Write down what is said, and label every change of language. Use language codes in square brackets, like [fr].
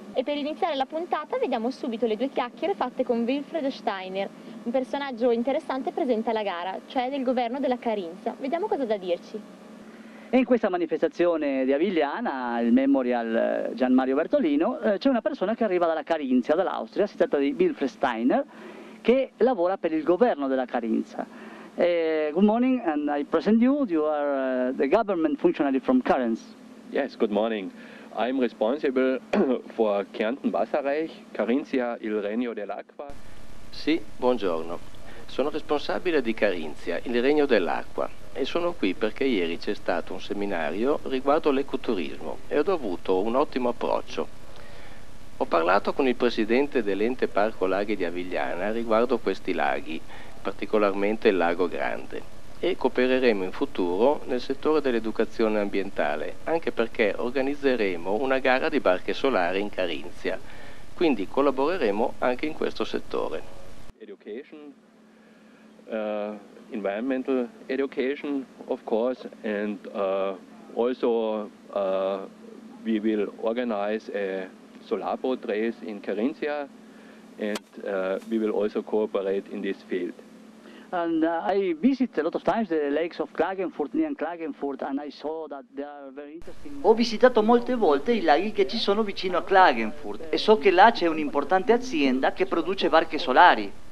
[it] E per iniziare la puntata vediamo subito le due chiacchiere fatte con Wilfried Steiner, un personaggio interessante presente alla gara, cioè del governo della Carinzia. Vediamo cosa da dirci. E in questa manifestazione di Avigliana, il memorial Gianmario Bertolino, c'è una persona che arriva dalla Carinzia, dall'Austria. Si tratta di Wilfried Steiner, che lavora per il governo della Carinzia. [en] Good morning, and I present you. You are the government functionary from Carinz. Yes, good morning. I'm responsible for Kärnten-Wasserreich, Carinzia, [it] il regno dell'acqua. Sì, buongiorno. Sono responsabile di Carinzia, il regno dell'acqua. E sono qui perché ieri c'è stato un seminario riguardo l'ecoturismo e ho avuto un ottimo approccio. Ho parlato con il presidente dell'ente Parco Laghi di Avigliana riguardo questi laghi, particolarmente il Lago Grande, e coopereremo in futuro nel settore dell'educazione ambientale, anche perché organizzeremo una gara di barche solari in Carinzia, quindi collaboreremo anche in questo settore. [en] Education, environmental education, of course, and also we will organize a solar boat race in Carinzia, and we will also cooperate in this field. And I visit a lot of times the lakes of Klagenfurt, near Klagenfurt, and I saw that they are very interesting. [it] Ho visitato molte volte i laghi che ci sono vicino a Klagenfurt e so che là c'è un'importante azienda che produce barche solari.